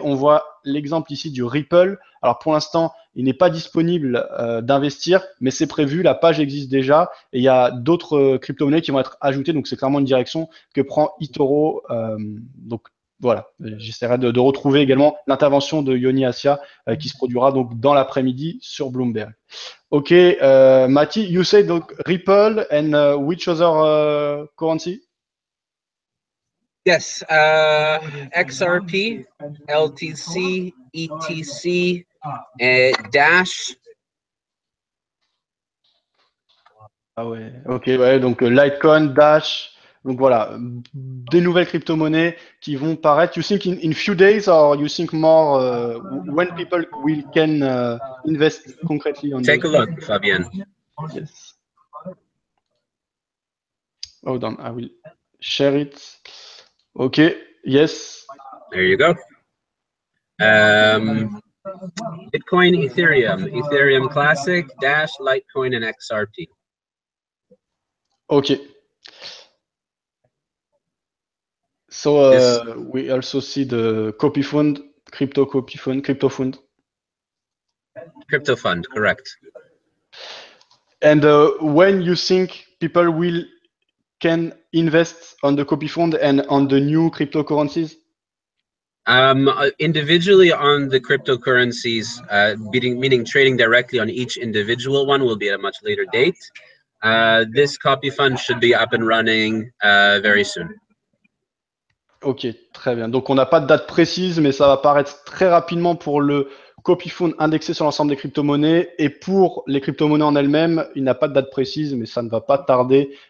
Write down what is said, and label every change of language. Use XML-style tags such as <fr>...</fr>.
<fr>On voit l'exemple ici du Ripple. Alors, pour l'instant, il n'est pas disponible d'investir, mais c'est prévu. La page existe déjà et il y a d'autres crypto-monnaies qui vont être ajoutées. Donc, c'est clairement une direction que prend eToro. Donc, voilà. J'essaierai de retrouver également l'intervention de Yoni Assia qui se produira donc dans l'après-midi sur Bloomberg.</fr> <en>OK, Mati, you say donc Ripple and which other currency? Yes, XRP, LTC, ETC, Dash.</en> <fr>Ah ouais, ok, ouais, donc Litecoin, Dash. Donc voilà, des nouvelles crypto-monnaies qui vont paraître.</fr> <en>You think in few days or you think more when people will can invest concretely on Take a look, Fabien. Yes. Hold on, I will share it. OK, yes. There you go. Bitcoin, Ethereum, Ethereum Classic, Dash, Litecoin, and XRP. OK. So yes. We also see the copy fund, crypto copy fund, crypto fund. Crypto fund, correct. And when you think people will can invest on the copy fund and on the new cryptocurrencies? Individually on the cryptocurrencies, meaning trading directly on each individual one will be at a much later date. This copy fund should be up and running very soon.</en> <fr>OK, très bien. Donc, on n'a pas de date précise, mais ça va paraître très rapidement pour le copy fund indexé sur l'ensemble des crypto-monnaies. Et pour les crypto-monnaies en elles-mêmes, il n'a pas de date précise, mais ça ne va pas tarder.</fr>